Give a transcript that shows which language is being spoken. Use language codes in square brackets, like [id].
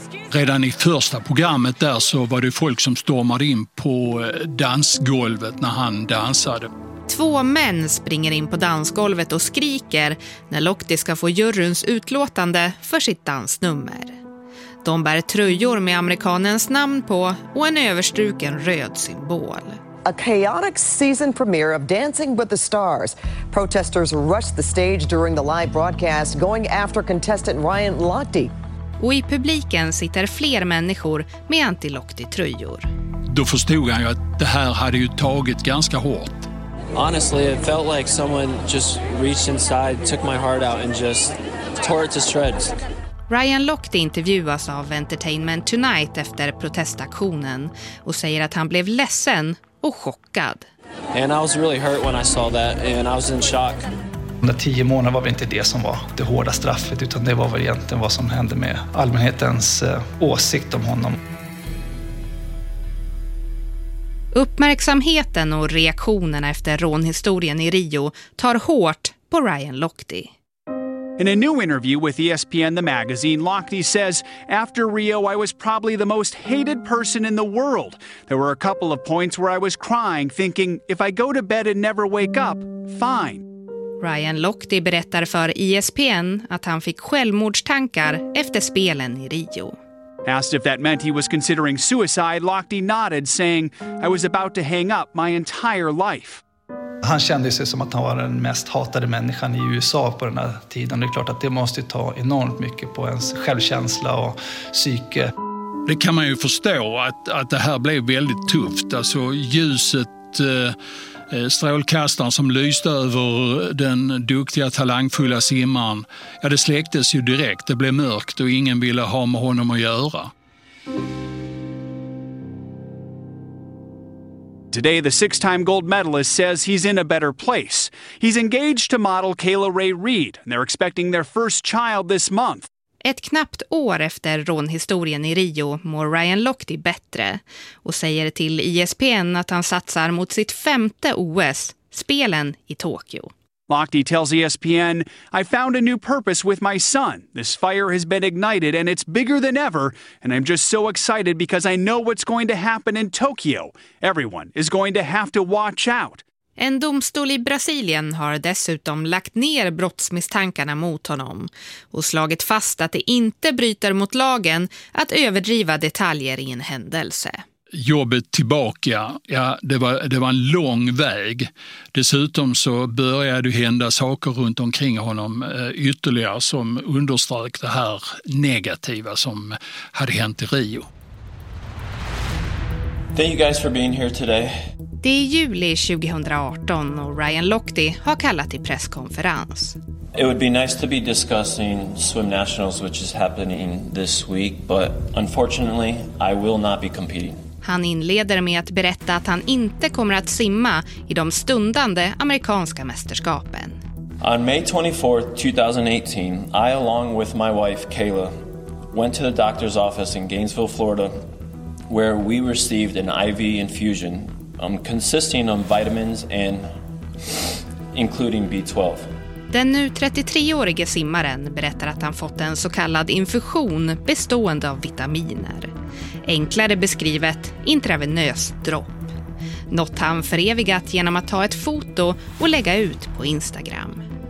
[sv] Redan i första programmet där så var det folk som stormade in på dansgolvet när han dansade. Två män springer in på dansgolvet och skriker när Lochte ska få juryns utlåtande för sitt dansnummer. De bär tröjor med amerikanens namn på och en överstruken röd symbol. [en] A chaotic season premiere of Dancing with the Stars. Protesters rushed the stage during the live broadcast going after contestant Ryan Lochte. [sv] Och i publiken sitter fler människor med anti-Lochte-tröjor. Då förstod han ju att det här hade ju tagit ganska hårt. [en] Honestly, it felt like someone just reached inside, took my heart out and just tore it to shreds. [sv] Ryan Lochte intervjuas av Entertainment Tonight efter protestaktionen och säger att han blev ledsen och chockad. [en] And I was really hurt when I saw that and I was in shock. [sv] De 10 månaderna var väl inte det som var det hårda straffet, utan det var väl egentligen vad som hände med allmänhetens åsikt om honom. Uppmärksamheten och reaktionerna efter rånhistorien i Rio tar hårt på Ryan Lochte. [en] In a new interview with ESPN The Magazine, Lochte says, after Rio, I was probably the most hated person in the world. There were a couple of points where I was crying, thinking, if I go to bed and never wake up, fine. [sv] Ryan Lochte berättar för ESPN att han fick självmordstankar efter spelen i Rio. [en] Asked if that meant he was considering suicide, Lochte nodded, saying, I was about to hang up my entire life. [sv] Han kände sig som att han var den mest hatade människan i USA på den här tiden. Det är klart att det måste ta enormt mycket på ens självkänsla och psyke. Det kan man ju förstå att det här blev väldigt tufft. Alltså ljuset, strålkastaren som lyste över den duktiga, talangfulla simman. Ja, det släcktes ju direkt. Det blev mörkt och ingen ville ha med honom att göra. [en] Today, the six-time gold medalist says he's in a better place. He's engaged to model Kayla Ray Reed, and they're expecting their first child this month. [sv] Ett knappt år efter rånhistorien i Rio mår Ryan Lochte bättre och säger till ESPN att han satsar mot sitt femte OS, spelen i Tokyo. [en] Lochte tells ESPN, I found a new purpose with my son. This fire has been ignited and it's bigger than ever. And I'm just so excited because I know what's going to happen in Tokyo. Everyone is going to have to watch out. [sv] En domstol i Brasilien har dessutom lagt ner brottsmisstankarna mot honom och slagit fast att det inte bryter mot lagen att överdriva detaljer i en händelse. Jobbet tillbaka, ja, det var en lång väg. Dessutom så började det hända saker runt omkring honom ytterligare som underströk det här negativa som hade hänt i Rio. [en] Thank you guys for being here today. [sv] Det är juli 2018 och Ryan Lochte har kallat till presskonferens. [en] It would be nice to be discussing swim nationals which is happening this week, but unfortunately I will not be competing. [sv] Han inleder med att berätta att han inte kommer att simma i de stundande amerikanska mästerskapen. [en] On May 24th, 2018, I along with my wife Kayla went to the doctor's office in Gainesville, Florida, where we received an IV infusion consisting of vitamins and including B12. [sv] Den nu 33-årige simmaren berättar att han fått en så kallad infusion bestående av vitaminer. Enklare beskrivet, intravenöst dropp. Något han förevigat genom att ta ett foto och lägga ut på Instagram.